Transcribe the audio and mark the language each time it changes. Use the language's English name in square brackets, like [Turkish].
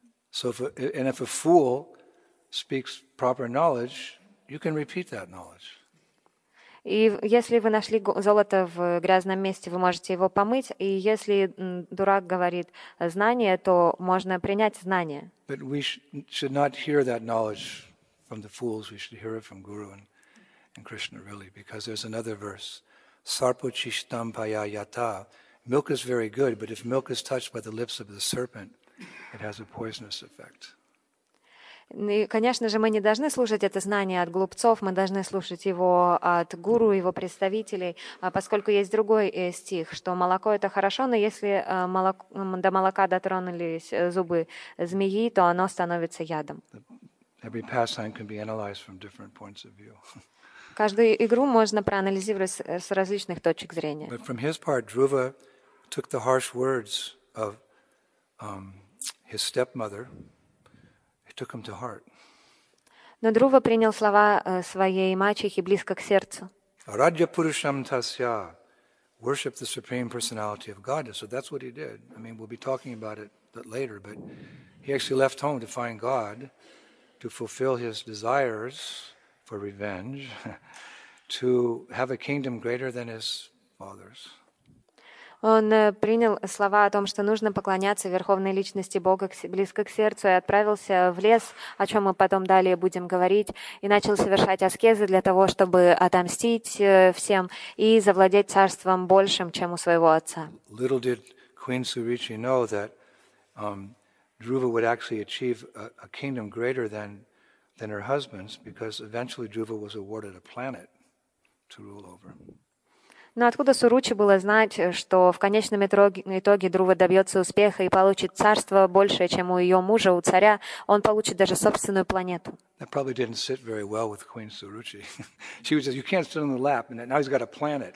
[English] So if a fool speaks proper knowledge, you can repeat that knowledge. [Russian] И если вы нашли золото в грязном месте, вы можете его помыть, и если дурак говорит знание, то можно принять знание. [English] But we should not hear that knowledge from the fools, we should hear it from Guru and Krishna really, because there's another verse. [Sanskrit] Sarpochishtam payayata. [English] Milk is very good, but if milk is touched by the lips of the serpent, it has a poisonous effect. [Russian] И, конечно же, мы не должны слушать это знание от глупцов, мы должны слушать его от гуру, его представителей, поскольку есть другой стих, что молоко — это хорошо, но если до молока дотронулись зубы змеи, то оно становится ядом. [English] Every pastime can be analyzed from different points of view. [Russian] Каждую игру можно проанализировать с различных точек зрения. [English] But from his part, Dhruva took the harsh words of his stepmother, he took him to heart. [Russian] Но Друва принял слова своей мачехи близко к сердцу. [Sanskrit] Раджа Пурушам Тасья, [English] worship the Supreme Personality of God. So that's what he did. I mean, we'll be talking about it later, but he actually left home to find God, to fulfill his desires for revenge, to have a kingdom greater than his father's. [Russian] Он принял слова о том, что нужно поклоняться Верховной Личности Бога близко к сердцу, и отправился в лес, о чем мы потом далее будем говорить, и начал совершать аскезы для того, чтобы отомстить всем и завладеть царством большим, чем у своего отца. [English] Little did Queen Suruchi know that Dhruva would actually achieve a kingdom greater than her husband's, because eventually Dhruva was awarded a planet to rule over. [Russian] Но откуда Суручи было знать, что в конечном итоге Друва добьется успеха и получит царство большее, чем у ее мужа, у царя, он получит даже собственную планету. [English] That probably didn't sit very well with Queen Suruchi. She was just, you can't sit on the lap, and now he's got a planet.